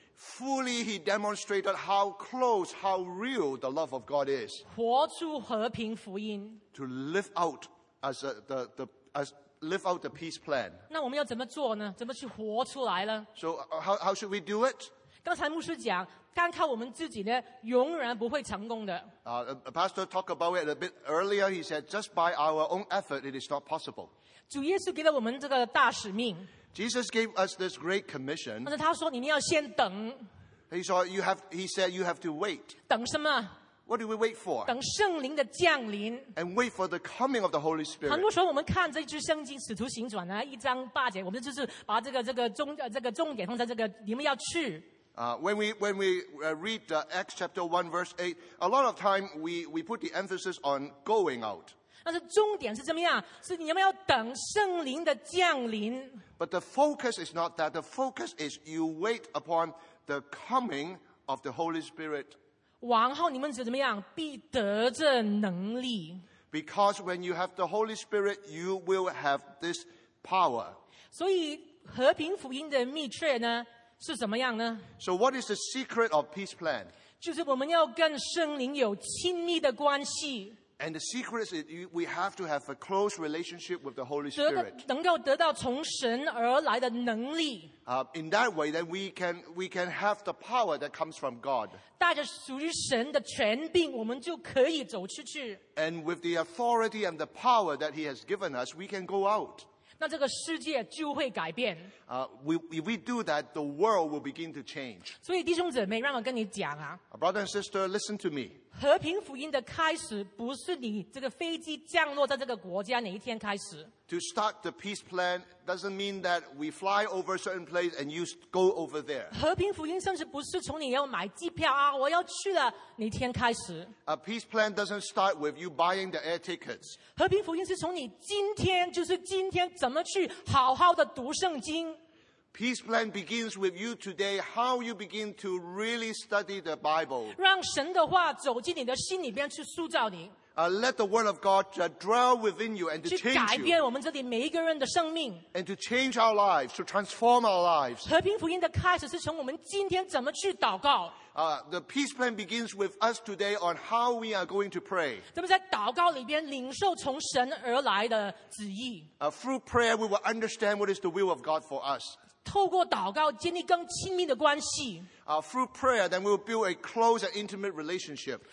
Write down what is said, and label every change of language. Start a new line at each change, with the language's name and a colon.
English: Fully, he demonstrated how close, how real the love of God is.
Chinese: 活出和平福音。
English: To live out as live out the peace plan.
Chinese: 那我们要怎么做呢？怎么去活出来呢？
English: So how should we do it?
Chinese: 刚才牧师讲。单靠我们自己呢，永远不会成功的。
English: Pastor talked about it a bit earlier. He said, just by our own effort, it is not possible.
Chinese: 主耶稣给了我们这个大使命。
English: Jesus gave us this great commission.
Chinese: 但是他说你们要先等。
English: He said you have to wait.
Chinese: 等什么？
English: What do we wait for?
Chinese: 等圣灵的降临。
English: And wait for the coming of the Holy Spirit.
Chinese: 很多时候我们看这句圣经《使徒行传》啊，一章八节，我们就是把这个重点放在这个你们要去。
English: When we read Acts chapter 1 verse 8, a lot of time we put the emphasis on going out.
Chinese: 但是重点是怎么样？是你们要等圣灵的降临。
English: But the focus is not that. The focus is you wait upon the coming of the Holy Spirit.
Chinese: 往后你们是怎么样？必得着能力。
English: Because when you have the Holy Spirit, you will have this power.
Chinese: 所以和平福音的秘诀呢？是怎么样呢？
English: So what is the secret of peace plan?
Chinese: 就是我们要跟圣灵有亲密的关系。
English: And the secret is we have to have a close relationship with the Holy Spirit.
Chinese: 能够得到从神而来的能力。
English: In that way, then we can have the power that comes from God.
Chinese: 带着属于神的权柄，我们就可以走出去。
English: And with the authority and the power that He has given us, we can go out.
Chinese: 那这个世界就会改变。
English: If we do that, the world will begin to change.
Chinese: 所以弟兄姊妹，让我跟你讲啊。
English: Brother and sister, listen to me.
Chinese: 和平福音的开始不是你这个飞机降落在这个国家哪一天开始。
English: To start the peace plan doesn't mean that we fly over a certain place and you go over there.
Chinese: 和平福音甚至不是从你要买机票啊，我要去了哪一天开始。
English: A peace plan doesn't start with you buying the air tickets.
Chinese: 和平福音是从你今天，就是今天怎么去好好的读圣经。
English: Peace plan begins with you today, how you begin to really study the Bible.
Chinese: 让神的话走进你的心里边去塑造你。
English: Let the word of God dwell within you and to change you.
Chinese: 去改变我们这里每一个人的生命。
English: And to change our lives, to transform our lives.
Chinese: 和平福音的开始是从我们今天怎么去祷告。
English: The peace plan begins with us today on how we are going to pray.
Chinese: 怎么在祷告里边领受从神而来的旨意。
English: Through prayer, we will understand what is the will of God for us.
Chinese: 透过祷告建立更亲密的关系。
English: Through prayer, then we will build a close and intimate relationship.